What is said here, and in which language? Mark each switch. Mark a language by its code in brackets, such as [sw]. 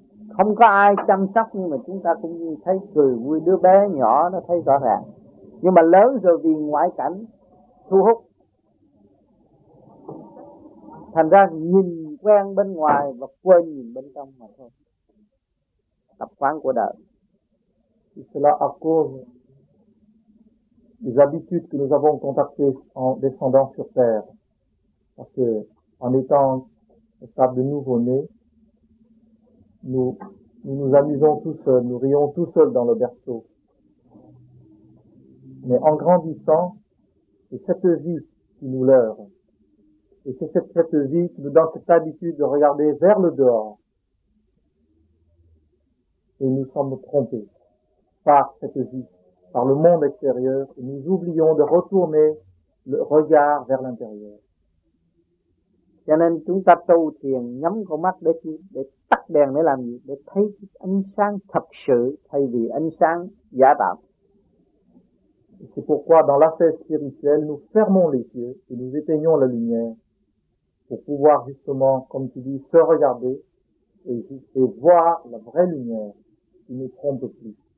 [vi] Không có ai chăm sóc nhưng mà chúng ta cũng thấy cười vui, đứa bé nhỏ nó thấy rõ ràng. Nhưng mà lớn rồi vì ngoại cảnh thu hút, thành ra nhìn quen bên ngoài và quên nhìn bên trong mà thôi. Tập quán của đời. [fr] Cela à cause des habitudes que nous avons contactées en descendant sur terre. Parce que en étant au stade de nouveau-né, nous nous amusons tout seuls, nous rions tout seuls dans le berceau. Mais en grandissant, c'est cette vie qui nous leurre. Et c'est cette vie qui nous donne cette habitude de regarder vers le dehors. Et nous sommes trompés par cette vie, par le monde extérieur. Et nous oublions de retourner le regard vers l'intérieur. [vi] Cho nên chúng ta tu thiền nhắm con mắt để tắt đèn để làm gì? Để thấy ánh sáng thật sự thay vì ánh sáng giả tạo. [fr] Et c'est pourquoi dans l'affaire spirituelle, nous fermons les yeux et nous éteignons la lumière. Pour pouvoir justement, comme tu dis, se regarder et voir la vraie lumière qui ne trompe plus.